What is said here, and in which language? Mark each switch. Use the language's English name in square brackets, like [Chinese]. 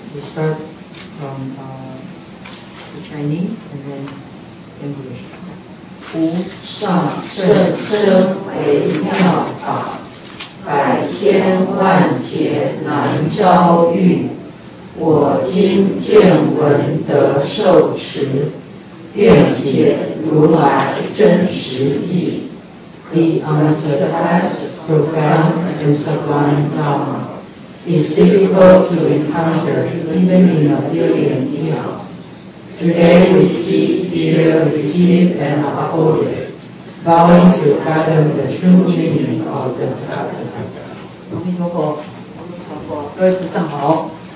[English] We start from the Chinese and then English. [Chinese] 无上甚深微妙法，百千万劫难遭遇。我今见闻得受持，愿解如来真实义。 [English] The unsurpassed, profound, and sublime Dharma is difficult to encounter even in a billion eons. Today we see, hear, receive, and uphold it, vowing to fathom the true meaning of the Dharma. [Chinese] 阿弥陀佛，阿弥陀佛，各位菩萨好。